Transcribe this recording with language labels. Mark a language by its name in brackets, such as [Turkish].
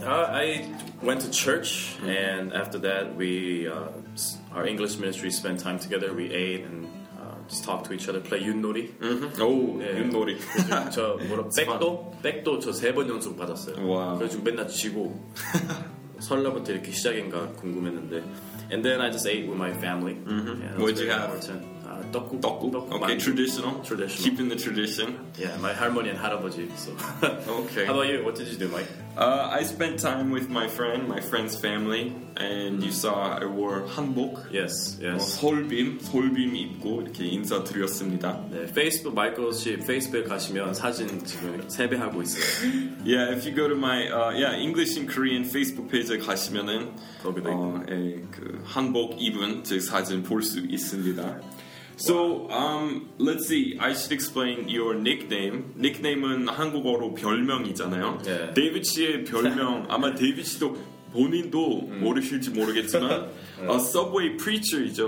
[English] I went to church, and after that, we our English ministry spent time together. We ate and just talk to each other, play 윷놀이. Mm-hmm. Oh, 윷놀이. [Korean] 저 뭐라 백도 저 세 번 연속 받았어요. 와. 그래서 지금 맨날 지고 설날부터 이렇게 시작인가 궁금했는데. [English] And then I just ate with my family. Mm-hmm. Yeah, what did you have? [Korean] 떡국. [English] 떡국. Okay, 만두. Traditional. Traditional. Keeping the tradition. Yeah, my 할머니 and 할아버지. So. Okay. How about you? What did you do, Mike? I spent time with my friend's family, and you saw I wore 한복. Yes, yes. [Korean] 솔빔 입고 이렇게 인사드렸습니다. 네, 페이스북 마이클 씨 페이스북 가시면 사진 지금 세배하고 있어요. [English] Yeah, if you go to my English and Korean Facebook page [Korean] 가시면은 거기도 그 한복 입은 제 사진 볼 수 있습니다. [English] So, let's see. I should explain your nickname. [Korean] Nickname은 한국어로 별명이잖아요. [English] Yeah. [Korean] David 씨의 별명, 아마 David 씨도 본인도 모르실지 모르겠지만, [English] a subway preacher [Korean] 이죠.